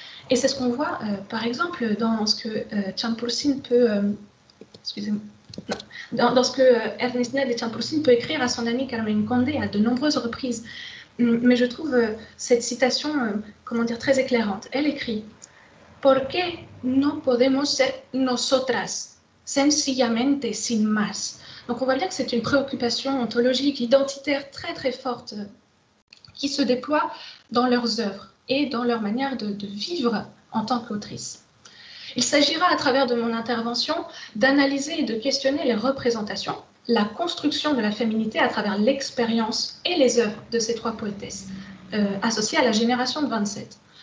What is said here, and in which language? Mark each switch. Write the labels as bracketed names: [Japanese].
[French] Et c'est ce qu'on voit, par exemple, dans ce que Champursin peut... dans ce que Ernestina de Champursin peut écrire à son amie Carmen Conde à de nombreuses reprises. Mais je trouve cette citation très éclairante. Elle écrit [Spanish] « ¿Por qué no podemos ser nosotras sencillamente sin más ?» [French] Donc on voit bien que c'est une préoccupation ontologique, identitaire très très forte qui se déploie dans leurs œuvres et dans leur manière de vivre en tant qu'autrice. Il s'agira à travers de mon intervention d'analyser et de questionner les représentations, la construction de la féminité à travers l'expérience et les œuvres de ces trois poétesses associées à la génération de 27.